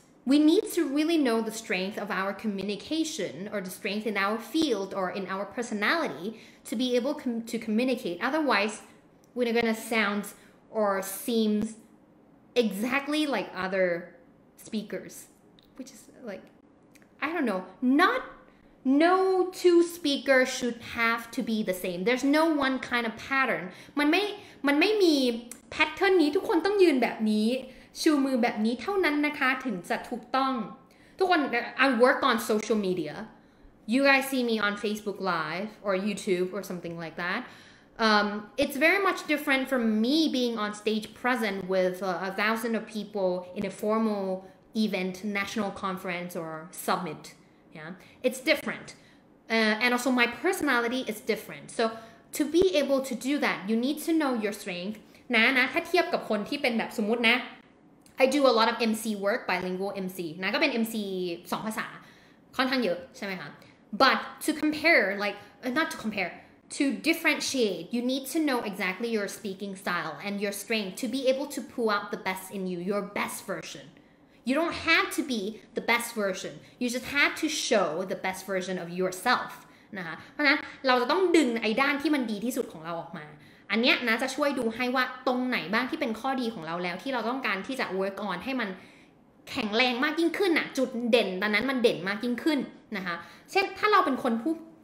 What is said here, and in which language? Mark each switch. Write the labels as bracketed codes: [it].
[en] we need to really know the strength of our communication or the strength in our field or in our personality to be able to communicate otherwise we're gonna sound or seemsExactly like other speakers, which is like, I don't know, no two speakers should have to be the same. There's no one kind of pattern. [th] มันไม่มีแพทเทิร์นนี้ทุกคนต้องยืนแบบนี้ชูมือแบบนี้เท่านั้นนะคะถึงจะถูกต้องทุกคน [en] I work on social media. You guys see me on Facebook Live or YouTube or something like that. It's very much different from me being on stage present with a thousand of people in a formal event, national conference or summit, Yeah, it's different. And also my personality is different. So to be able to do that, you need to know your strength. [th] นะนะถ้าเทียบกับคนที่เป็นแบบสมมตินะ [en] I do a lot of MC work, bilingual MC. [th] นะก็เป็น MC 2ภาษาค่อนข้างเยอะใช่ไหมคะ [en] But to compare, like, not to compare, to differentiate, you need to know exactly your speaking style and your strength to be able to pull out the best in you, your best version. You don't have to be the best version. You just have to show the best version of yourself. [th] นะคะเพราะฉะนั้นเราจะต้องดึงไอ้ด้านที่มันดีที่สุดของเราออกมาอันเนี้ยนะจะช่วยดูให้ว่าตรงไหนบ้างที่เป็นข้อดีของเราแล้วที่เราต้องการที่จะ work on ให้มันแข็งแรงมากยิ่งขึ้นน่ะจุดเด่นตอนนั้นมันเด่นมากยิ่งขึ้นนะคะเช่นถ้าเราเป็นคนพูด